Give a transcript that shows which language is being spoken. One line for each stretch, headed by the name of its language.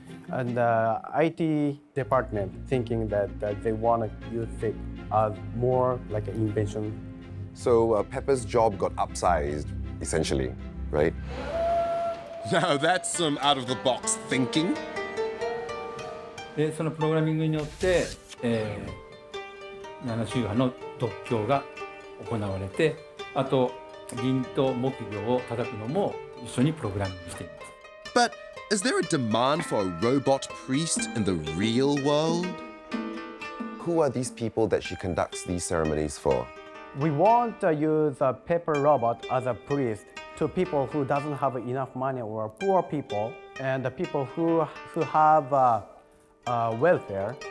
English: And the IT department thinking that they want to use it as more like an invention. So Pepper's job got upsized, essentially, right? Now that's some out of the box thinking.
Japanese: そのプログラミングによって、7周波の読経が行われて、あと銀と木魚を叩くのも一緒にプログラミングしています。
English: But is there a demand for a robot priest in the real world? Who are these people that she conducts these ceremonies for? We want to use a paper robot as a priest to people who doesn't have enough money or poor people and the people who have welfare.